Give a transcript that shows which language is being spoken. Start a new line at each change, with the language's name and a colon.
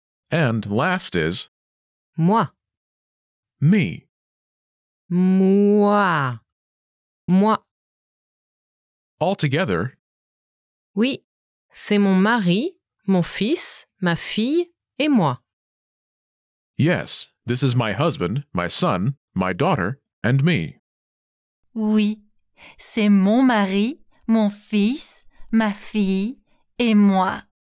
English: And last is.
French: Moi.
English: Me.
French: Moi. Moi.
English: Altogether.
French: Oui, c'est mon mari, mon fils, ma fille et moi.
English: Yes, this is my husband, my son, my daughter and me.
French: Oui, c'est mon mari, mon fils, ma fille et moi.